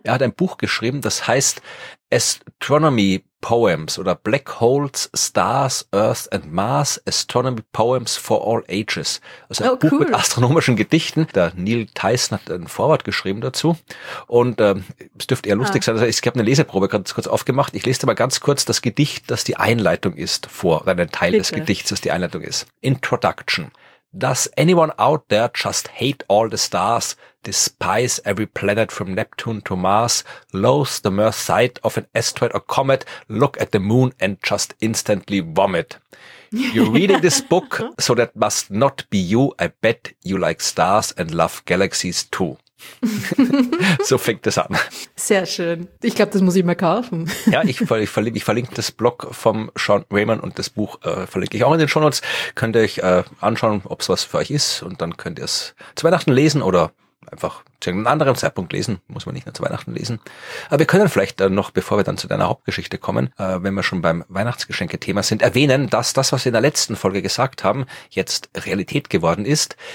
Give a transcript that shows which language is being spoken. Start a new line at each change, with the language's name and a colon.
German: Er hat ein Buch geschrieben, das heißt Astronomy Poems oder Black Holes, Stars, Earth and Mars, Astronomy Poems for All Ages. Also ein Buch mit astronomischen Gedichten. Der Neil Tyson hat ein Vorwort geschrieben dazu. Und es dürfte eher lustig sein. Also ich habe eine Leseprobe ganz kurz aufgemacht. Ich lese dir mal ganz kurz das Gedicht, das die Einleitung ist, vor, oder einen Teil des Gedichts, das die Einleitung ist. Introduction.
English: Does anyone out there just hate all the stars, despise every planet from Neptune to Mars, loathe the mere sight of an asteroid or comet, look at the moon and just instantly vomit? You're reading this book, so that must not be you. I bet you like stars and love galaxies too.
German: So fängt es an. Sehr schön. Ich glaube, das muss ich mal kaufen. Ja, ich verlinke das Blog vom Sean Raymond und das Buch verlinke ich auch in den Shownotes. Könnt ihr euch anschauen, ob es was für euch ist, und dann könnt ihr es zu Weihnachten lesen oder einfach zu einem anderen Zeitpunkt lesen. Muss man nicht nur zu Weihnachten lesen. Aber wir können vielleicht noch, bevor wir dann zu deiner Hauptgeschichte kommen, wenn wir schon beim Weihnachtsgeschenke-Thema sind, erwähnen, dass das, was wir in der letzten Folge gesagt haben, jetzt Realität geworden ist.